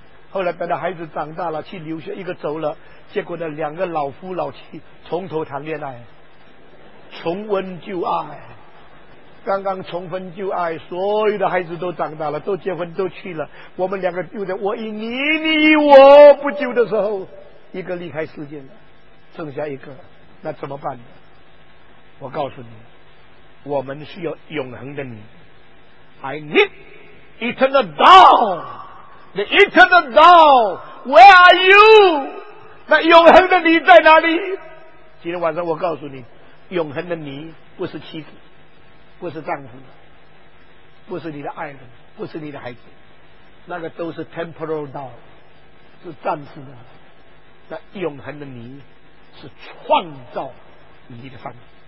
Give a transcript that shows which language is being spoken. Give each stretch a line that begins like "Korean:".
Chinese: 后来等到孩子长大了去留学，一个走了，结果呢两个老夫老妻从头谈恋爱，重温旧爱，刚刚重温旧爱，所有的孩子都长大了，都结婚都去了，我们两个就在我以你你我不久的时候，一个离开世界了，剩下一个，那怎么办呢？我告诉你，我们需要永恒的你。
English: I need eternal thou, the eternal thou, where are you?
Chinese: 那永恒的你在哪里？今天晚上我告诉你，永恒的你不是妻子，不是丈夫，不是你的爱人，不是你的孩子，那个都是
English: temporal thou，
Chinese: 是暂时的。那永恒的你是创造你的方式。